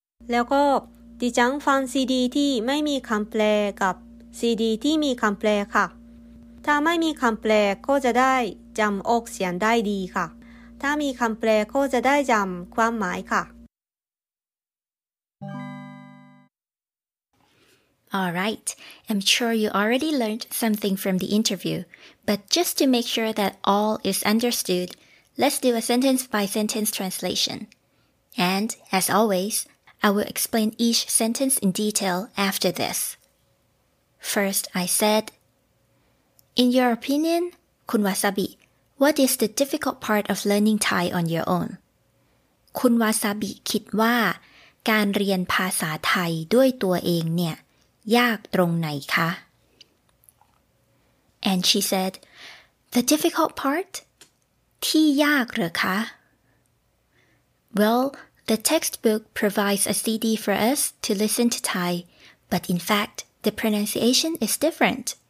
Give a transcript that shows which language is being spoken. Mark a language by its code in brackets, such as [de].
[th] แล้วก็ดิฉันฟังซีดีที่ไม่มีคำแปลกับซีดีที่มีคำแปลค่ะถ้าไม่มีคำแปลก็จะได้จำออกเสียงได้ดีค่ะถ้ามีคำแปลก็จะได้จำความหมายค่ะ [en] All right, I'm sure you already learned something from the interview, but just to make sure that all is understood, let's do a sentence by sentence translation. And, as always, I will explain each sentence in detail after this. First, I said, In your opinion, Kun Wasabi, What is the difficult part of learning Thai on your own? [th] คุณวาซาบิคิดว่าการเรียนภาษาไทยด้วยตัวเองเนี่ยยากตรงไหนคะ [en] And she said, The difficult part? [th] ที่ยากหรือคะ [en] Well, the textbook provides a CD for us to listen to Thai, but in fact, the pronunciation is different.